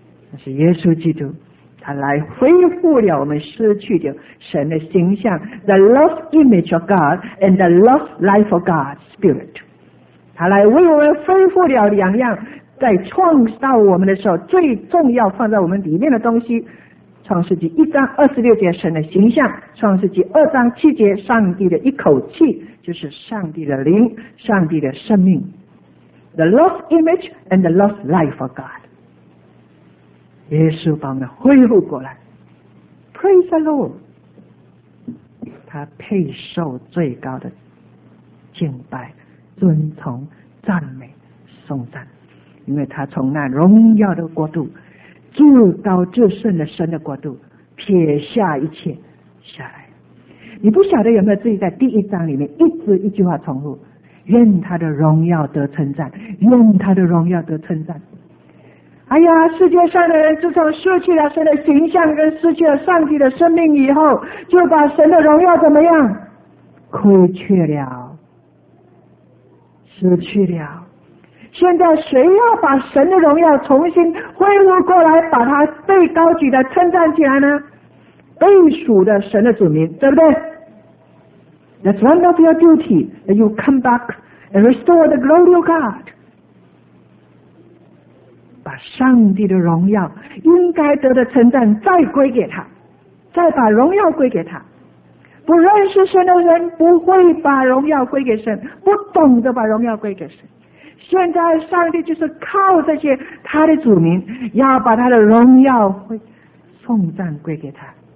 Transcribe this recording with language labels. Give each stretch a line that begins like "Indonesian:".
Chinese: 但是耶稣基督他来恢复了我们失去的神的形象，
English: The lost image of God and the lost life of God spirit，
Chinese: 他来为我们恢复了两样在创造我们的时候最重要放在我们里面的东西，创世纪一章二十六节神的形象，创世纪二章七节上帝的一口气，就是上帝的灵，上帝的生命。
English: The lost image and the lost life of God.
Chinese: 耶稣把我们恢复过来。
English: Praise the Lord.
Chinese: 他配受最高的敬拜、尊崇、赞美、颂赞，因为他从那荣耀的国度，至高至圣的神的国度，撇下一切下来。你不晓得有没有自己在第一章里面一直一句话重复，愿他的荣耀得称赞，愿他的荣耀得称赞。哎呀，世界上的人自从失去了神的形象跟失去了上帝的生命以后，就把神的荣耀怎么样亏缺了，失去了。现在谁要把神的荣耀重新恢复过来，把他被高举的称赞起来呢？被属的神的子民，对不对？
English: That's one of your duty, that you come back and restore the glory of God.
Chinese: 把上帝的荣耀应该得的称赞再归给他，再把荣耀归给他。不认识神的人不会把荣耀归给神，不懂得把荣耀归给神。现在上帝就是靠这些他的子民，要把他的荣耀颂赞归给他。